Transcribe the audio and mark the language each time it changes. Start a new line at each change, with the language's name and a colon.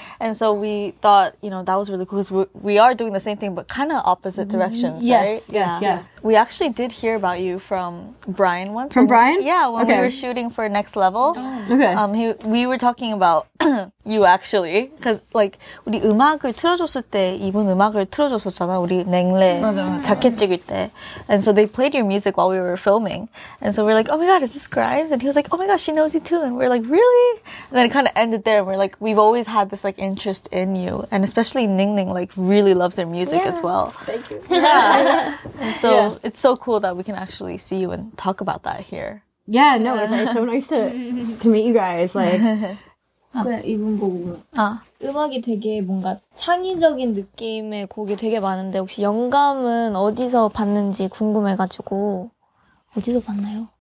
English: And so we thought, you know, that was really cool because we are doing the same thing, but kind of opposite directions, Yes. We actually did hear about you from Brian once. From Brian? We were shooting for Next Level. Oh. Okay. We were talking about you, actually. Because, like,
Korean: 우리 음악을 틀어줬을 때, 이분 음악을 틀어줬었잖아. 우리 냉래 자켓 찍을 때.
English: And so they played your music while we were filming. And so we're like, oh my god, is this Grimes? And he was like, oh my god, she knows you too. And we're like, really? And then it kind of ended there. We're like, we've always had this like interest in you, and especially Ningning like really loves their music as well. Thank you. And so it's so cool that we can actually see you and talk about that here. Yeah, no, it's so nice to meet you guys.
Korean: Like, 그냥 이분 보고 음악이 되게 뭔가 창의적인 느낌의 곡이 되게 많은데 혹시 영감은 어디서 받는지 궁금해가지고 어디서 받나요?